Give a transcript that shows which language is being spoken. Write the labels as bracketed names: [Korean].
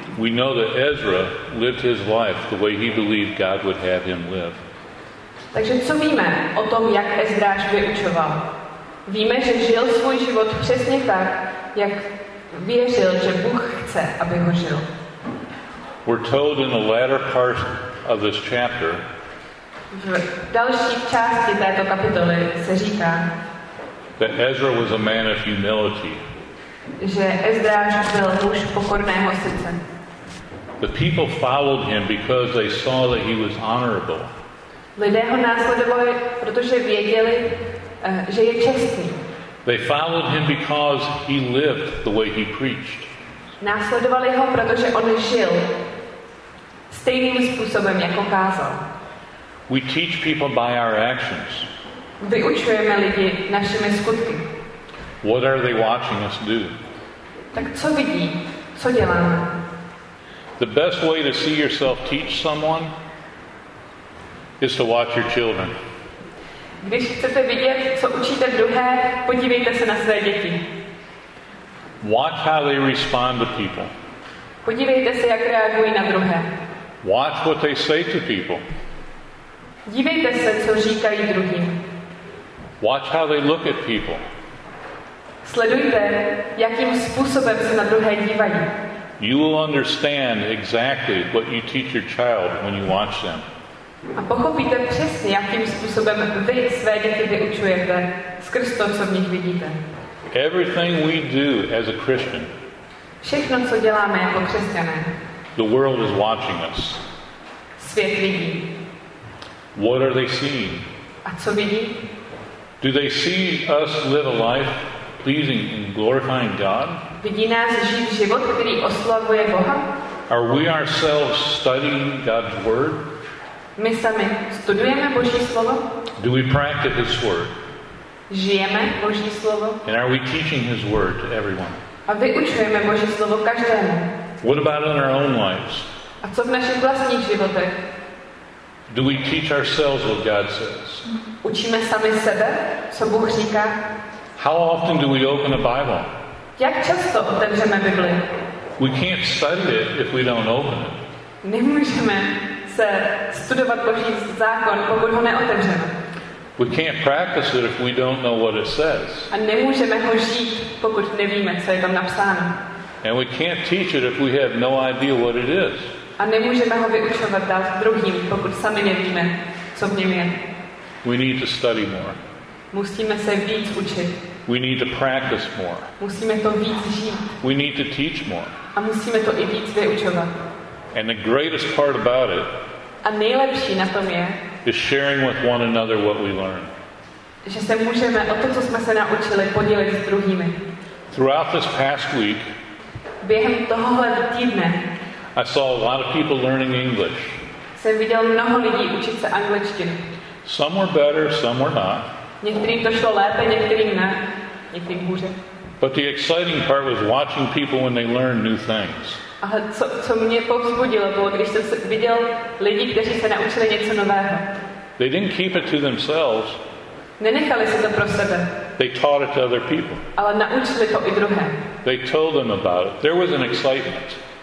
[English] We know that Ezra lived his life the way he believed God would have him live. [Czech] Takže co víme o tom, jak Ezdráš vyučoval? Víme, že žil svůj život přesně tak, jak věřil, že Bůh chce, aby ho žil. [English] We're told in the latter part of this chapter, [Czech] v další části této kapitoly se říká, [English] that Ezra was a man of humility. [Czech] Že Ezdráš byl muž pokorného srdce. [English] The people followed him because they saw that he was honorable. [Czech] Lidé ho následovali, protože věděli, že je čestný. [English] They followed him because he lived the way he preached. [Czech] Následovali ho, protože on žil stejným způsobem, jako kázal. [English] We teach people by our actions. [Czech] Vyučujeme lidi našimi skutky. [English] What are they watching us do? [Czech] Tak co vidí? Co děláme? [English] The best way to see yourself teach someone is to watch your children. [Czech] Když chcete vidět, co učíte druhé, podívejte se na své děti. [English] Watch how they respond to people. [Czech] Podívejte se, jak reagují na druhé. [English] Watch what they say to people. [Czech] Dívejte se, co říkají druhým. [English] Watch how they look at people. [Czech] Sledujte, jakým způsobem se na druhé dívají. [English] You will understand exactly what you teach your child when you watch them. [Czech] A pochopíte přesně, jakým způsobem vy své děti vyučujete skrz to, co v nich vidíte. [English] Everything we do as a Christian. [Czech] Všechno, co děláme jako křesťané. [English] The world is watching us. [Czech] Svět vidí. [English] What are they seeing? [Czech] A co vidí? [English] Do they see us live a life pleasing and glorifying God? [Czech] Vidí nás žít život, který oslavuje Boha? [English] Are we ourselves studying God's word? [Czech] My sami studujeme Boží slovo? [English] Do we practice His word? [Czech] Žijeme Boží slovo? [English] And are we teaching His word to everyone? [Czech] A vyučujeme Boží slovo každému? [English] What about in our own lives? [Czech] A co v našich vlastních životech? [English] Do we teach ourselves what God says? [Czech] Učíme sami sebe, co Bůh říká? [English] How often do we open a Bible? [Czech] Jak často otevřeme Bibli? [English] We can't study it if we don't open it. [Czech] Nemůžeme se studovat Boží zákon, pokud ho neotevřeme. [English] We can't practice it if we don't know what it says. [Czech] A nemůžeme ho žít, pokud nevíme, co je tam napsáno. [English] And we can't teach it if we have no idea what it is. [Czech] A nemůžeme ho vyučovat dál druhým, pokud sami nevíme, co v něm je. [English] We need to study more. [Czech] Musíme se víc učit. [English] We need to practice more. [Czech] Musíme to víc žít. [English] We need to teach more. [Czech] A musíme to i víc vyučovat. [English] And the greatest part about it, [Czech] a nejlepší na tom je, [English] is sharing with one another what we learn. [Czech] Že se můžeme o to, co jsme se naučili, podělit s druhými. [English] Throughout this past week, [Czech] během tohohle týdne, [English] I saw a lot of people learning English. [Czech] Jsem viděl mnoho lidí učit se angličtinu. [English] Some were better, some were not. [Czech] Některým to šlo lépe, některým ne, některým hůře. [English] But the exciting part was watching people when they learn new things. [Czech] A co mě povzbudilo, bylo, když jsem viděl lidi, kteří se naučili něco nového. [English] They didn't keep it to themselves. [Czech] Nenechali si to pro sebe. [English] They taught it to other people. [Czech] Ale naučili to i druhé. [English] They told them about it. There was an excitement.